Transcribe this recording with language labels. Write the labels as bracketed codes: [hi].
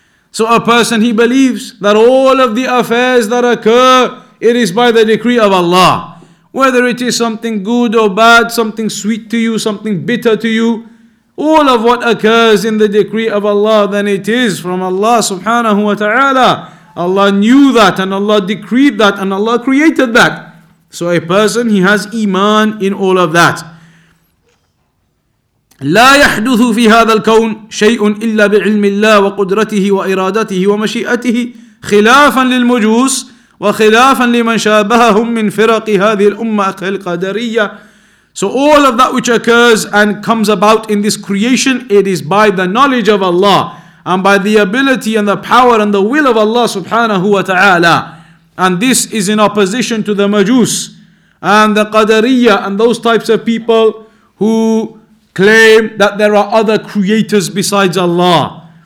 [en] So a person, he believes that all of the affairs that occur, it is by the decree of Allah. Whether it is something good or bad, something sweet to you, something bitter to you, all of what occurs in the decree of Allah, then it is from Allah subhanahu wa ta'ala. Allah knew that and Allah decreed that and Allah created that. So a person, he has iman in all of that. [ar] لا يحدث في هذا الكون شيء إلا بعلم الله وقدرته وإرادته ومشيئته خلافا للمجوس وخلافا لمن شابههم من فرق هذه الأمة القدرية. [en] So all of that which occurs and comes about in this creation, it is by the knowledge of Allah and by the ability and the power and the will of Allah subhanahu wa ta'ala. And this is in opposition to the majus and the qadariyya and those types of people who claim that there are other creators besides Allah.